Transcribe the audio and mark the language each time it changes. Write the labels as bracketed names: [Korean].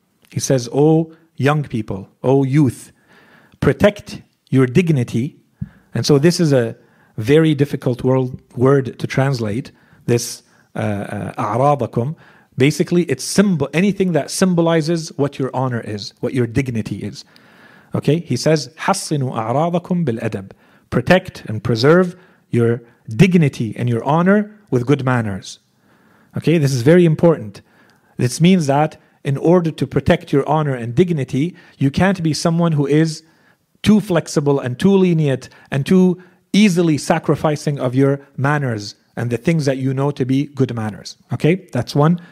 [English] He says, O young people, O youth, protect your dignity. And so this is a very difficult word to translate, this أعراضكم. Basically, it's anything that symbolizes what your honor is, what your dignity is. Okay, he says, [Arabic] حصنوا أعراضكم بالأدب. [English] Protect and preserve your dignity and your honor with good manners. Okay, this is very important. This means that in order to protect your honor and dignity, you can't be someone who is too flexible and too lenient and too easily sacrificing of your manners and the things that you know to be good manners. Okay, that's one.